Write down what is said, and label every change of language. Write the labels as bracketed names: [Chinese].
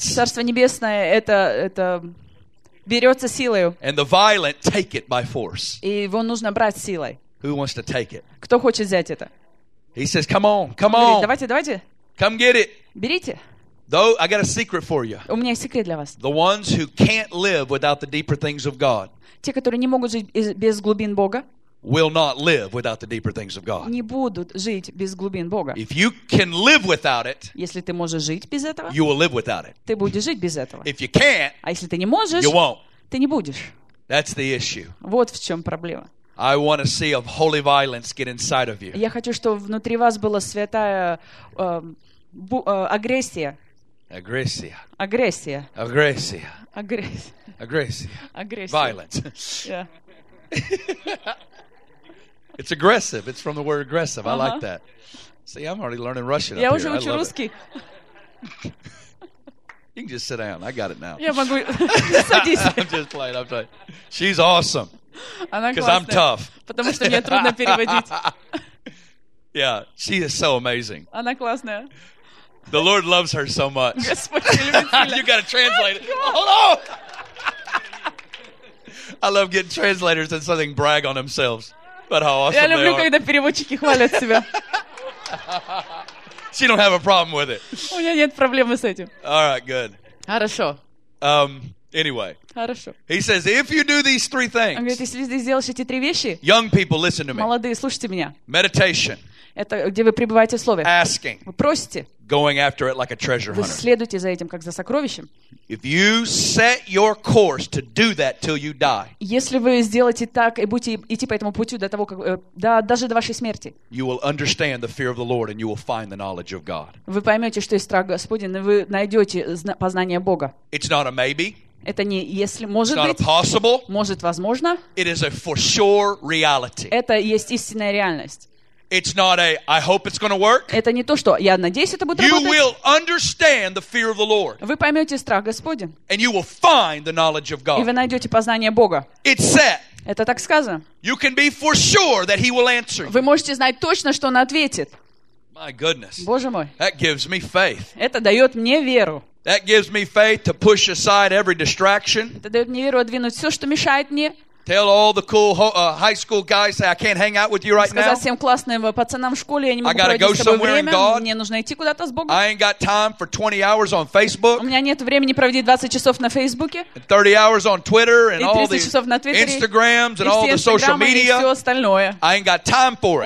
[Russian] Царство небесное это берется силой. [English] And the violent take it by force. [Russian] И его нужно брать силой. [English] Who wants to take it? [Russian] Кто хочет взять это? [English] He says, "Come on, come on! [Russian] Давайте, давайте! [English] Come get it! [Russian] Берите! [English] Though I got a secret for you. [Russian] У меня есть секрет для вас. [English] The ones who can't live without the deeper things of God. [Russian] Те, которые не могут жить без глубин Бога. [English] Will not live without the deeper things of God. [Russian] Не будут жить без глубин Бога. [English] If you can live without it, [Russian] если ты можешь жить без этого, [English] you will live without it. [Russian] Ты будешь жить без этого. [English] If you can't, [Russian] а если ты не можешь, [English] you won't. [Russian] Ты не будешь. [English] That's the issue. [Russian] Вот в чем проблема. [English] I want to see a holy violence get inside of you. [Russian] Я хочу, чтобы внутри вас была святая агрессия. Агрессия. Агрессия. Агрессия. Агрессия. Агрессия. [English] Violence. Yeah. It's aggressive. It's from the word aggressive. Uh-huh. I like that. See, I'm already learning Russian. [Russian] Я уже учу русский. [English] You can just sit down. I got it now. [Russian] Я могу. Садись. [English] I'm just playing. I'm playing. She's awesome. [Russian] Она классная, потому что мне трудно переводить. [English] Yeah, she is so amazing. [Russian] Она классная. [English] The Lord loves her so much. [Russian] Господь любит ее. [English] You got to translate it. Hold on. I love getting translators and something brag on themselves, but how awesome they are. [Russian] Я люблю, когда переводчики хвалят себя. [English] She don't have a problem with it. [Russian] У нее нет проблемы с этим. [English] All right, good. [Russian] Хорошо. [English] Anyway. [Russian] Хорошо. [English] He says, if you do these three things. [Russian] Он говорит, если ты сделаешь эти три вещи. [English] Young people, listen to me. [Russian] Молодые, слушайте меня. [English] Meditation. [Russian] Это где вы пребываете в слове. [English] Asking. [Russian] Вы просите. [English] Going after it like a treasure hunter. [Russian] Вы следуете за этим как за сокровищем. [English] If you set your course to do that till you die. [Russian] Если вы сделаете так и будете идти по этому пути до того, как даже до вашей смерти. [English] You will understand the fear of the Lord and you will find the knowledge of God. [Russian] Вы поймете, что есть страх Господень, и вы найдете познание Бога. [English] It's not a maybe. [Russian] Это не если может быть, [English] possible, [Russian] может возможно. [English] It is a for sure reality. [Russian] Это есть истинная реальность. [English] It's not a I hope it's going to work. [Russian] Это не то, что я надеюсь, это будет [English] you [Russian] работать. [English] You will understand the fear of the Lord. [Russian] Вы поймете страх Господень. [English] And you will find the knowledge of God. [Russian] И вы найдете познание Бога. [English] It's set. [Russian] Это так сказано. [English] You can be for sure that He will answer. [Russian] Вы можете знать точно, что Он ответит. [English] My goodness. [Russian] Боже мой. [English] That gives me faith. [Russian] Это дает мне веру. [English] That gives me faith to push aside every distraction. [Russian] Это дает мне веру отвинуть все, что мешает мне. [English] Tell all the cool high school guys I can't hang out with you right [Russian] сказать Сказать всем классным пацанам в школе, я не могу проводить с тобой время. Мне нужно идти куда-то с Богом. [English] I ain't got time for 20 hours on Facebook. [Russian] У меня нет времени проводить 20 часов на Фейсбуке. [English] 30 hours on Twitter and all the [Russian] часов на Твиттере, [English] Instagrams and all the social media. [Russian] И все остальное. [English] I ain't got time for it.